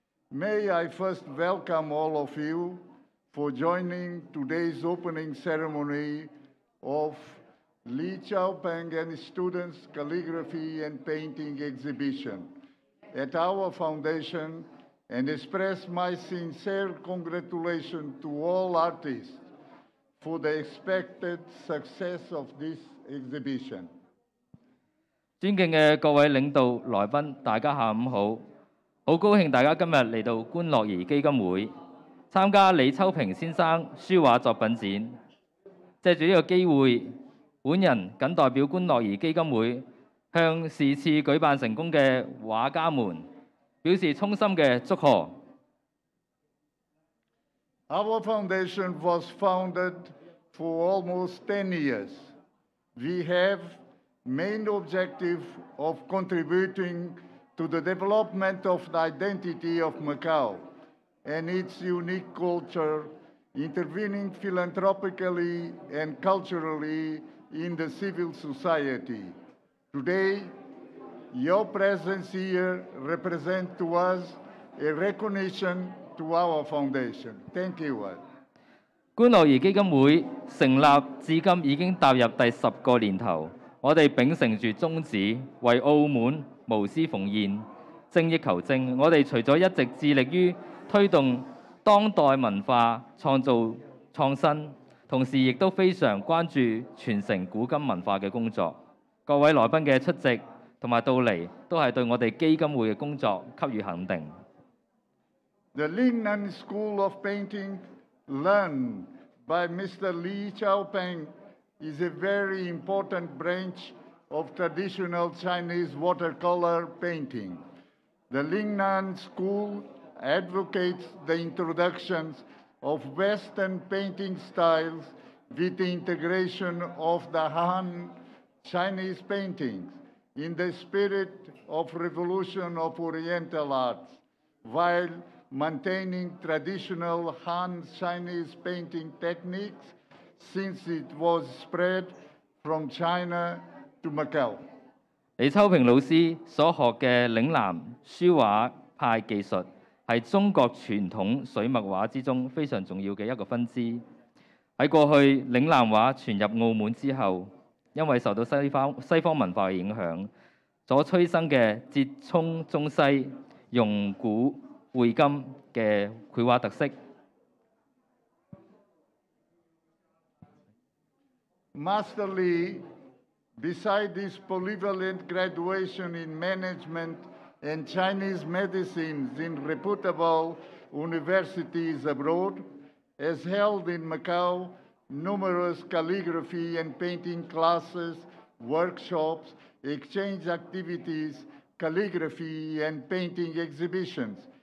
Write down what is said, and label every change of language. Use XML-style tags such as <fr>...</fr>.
<en>May I first welcome all of you for joining today's opening ceremony of Li Chaoping and students' calligraphy and painting exhibition at our foundation, and express my sincere congratulations to all artists for the expected success of this exhibition.</en> <zh>尊敬的各位领导来宾，大家下午好，好高兴大家今日来到观乐儿基金会參加李秋平先生書畫作品展。藉著這個機會，本人僅代表觀樂兒基金會向是次舉辦成功的畫家們表示衷心的祝賀。</zh> <en>Our foundation was founded for almost 10 years. We have main objective of contributing to the development of the identity of Macau and its unique culture, intervening philanthropically and culturally in the civil society. Today, your presence here represents to us a recognition to our foundation. Thank you.</en> <zh>觀樂兒基金會成立至今已經踏入第十個年頭，我們秉承著宗旨，為澳門無私奉獻，精益求精。我們除了一直致力於推動當代文化創造創新，同時亦都非常關注傳承古今文化的工作。各位來賓的出席和到來，都是對我們基金會的工作給予肯定。</zh> <en>The Lingnan School of Painting, learned by Mr. Li Xiaopeng, is a very important branch of traditional Chinese watercolor painting. The Lingnan School advocates the introduction of Western painting styles with the integration of the Han Chinese paintings in the spirit of revolution of Oriental arts, while maintaining traditional Han Chinese painting techniques since it was spread from China to Macau.</en> <zh>李秋平老師所學的嶺南書畫派技術是中國傳統水墨畫之中非常重要的一個分支。在過去嶺南畫傳入澳門之後，因為受到西方文化的影響，所催生的折衷中西、融古匯金的繪畫特色。</zh> <en>Master Li, beside this polyvalent graduation in management and Chinese medicine in reputable universities abroad, has held in Macau numerous calligraphy and painting classes, workshops, exchange activities, calligraphy and painting exhibitions,</en>